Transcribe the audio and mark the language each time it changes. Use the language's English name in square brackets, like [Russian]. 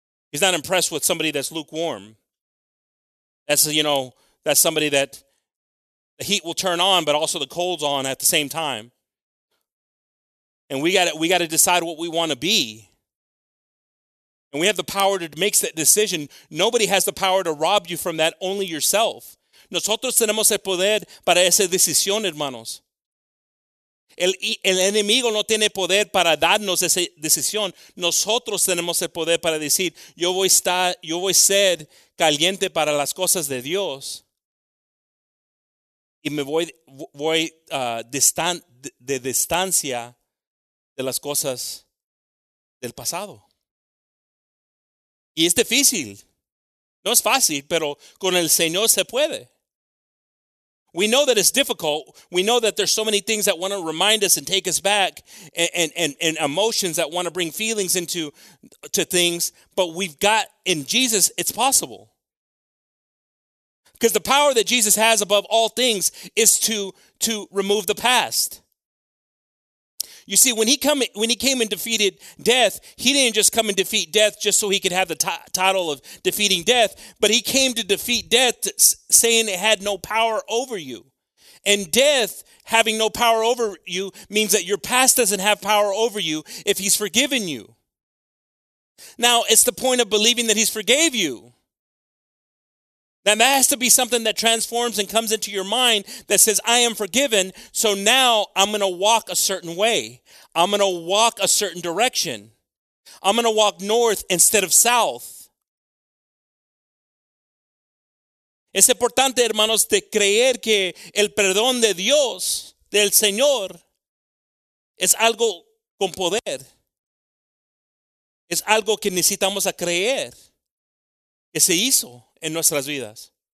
[English] He's not impressed with somebody that's lukewarm. That's somebody that the heat will turn on, but also the cold's on at the same time. And we got to decide what we want to be. And we have the power to make that decision. Nobody has the power to rob you from that, only yourself. [Spanish] Nosotros tenemos el poder para esa decisión, hermanos. El enemigo no tiene poder para darnos esa decisión. Nosotros tenemos el poder para decir, yo voy a ser caliente para las cosas de Dios. Y me voy distancia de las cosas del pasado. Y es difícil. No es fácil, pero con el Señor se puede. [English] We know that it's difficult. We know that there's so many things that want to remind us and take us back and emotions that want to bring feelings into things. But we've got, in Jesus, it's possible. Because the power that Jesus has above all things is to remove the past. You see, when he came and defeated death, he didn't just come and defeat death just so he could have the title of defeating death, but he came to defeat death saying it had no power over you. And death having no power over you means that your past doesn't have power over you if he's forgiven you. Now, it's the point of believing that he's forgave you. Now, that has to be something that transforms and comes into your mind that says, I am forgiven, so now I'm going to walk a certain way. I'm going to walk a certain direction. I'm going to walk north instead of south. [Spanish] Es importante, hermanos, de creer que el perdón de Dios, del Señor, es algo con poder. Es algo que necesitamos a creer que se hizo en nuestras vidas.